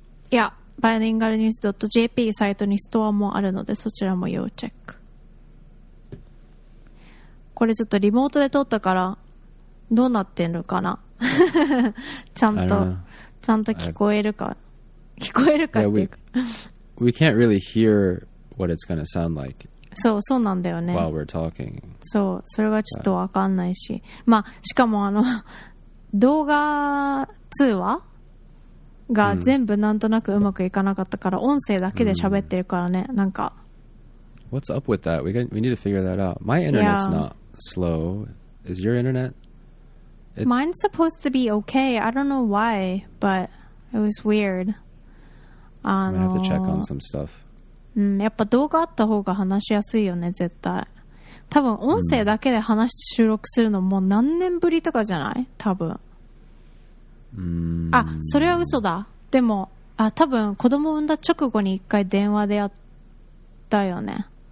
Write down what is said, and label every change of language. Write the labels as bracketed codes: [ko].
[ja] Yeah, bilingualnews.jp サイトにストアもあるのでそちらも要チェック。これちょっとリモートで撮ったからどうなってんのかな。ちゃんと聞こえるか、聞こえるかっていうか、 [en] yeah, we can't really hear what it's going to sound like。 [ja] そう、そうなんだよね。 [en] While we're talking. [ja] そう、それはちょっと分かんないし、まあしかもあの動画通話が全部なんとなくうまくいかなかったから、音声だけで喋ってるからね、なんか。 [en] What's up with that? We need to figure that out. My internet's not slow. Is your internet? Mine's supposed to be okay. I don't know why, but it was weird. I'm gonna have to check on some stuff. [ja] うん、やっぱ動画あった方が話しやすいよね絶対。多分音声だけで話して収録するのもう何年ぶりとかじゃない多分。あ、それは嘘だ。でも、あ、多分子供産んだ直後に一回電話でやったよね。